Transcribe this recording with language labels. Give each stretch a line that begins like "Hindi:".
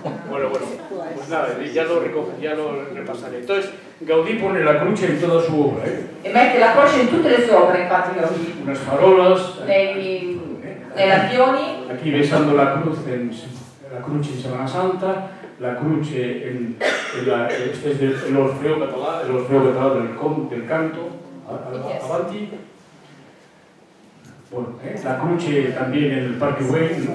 Spanish: Bueno, pues nada, ya lo repasaré. Entonces, Gaudí pone la cruz en toda su obra, ¿eh?
Italian: E mette la croce in tutte le sue opere, infatti, Gaudí.
Spanish: Unas farolas.
Italian: Nei lampioni.
Spanish: Aquí besando la cruz en la cruz en Semana Santa, la cruz este es del Orfeo catalán, el Orfeo catalán del canto, avanti. Bueno,
Italian: la croce
Spanish: también en el Parque Güell, ¿no?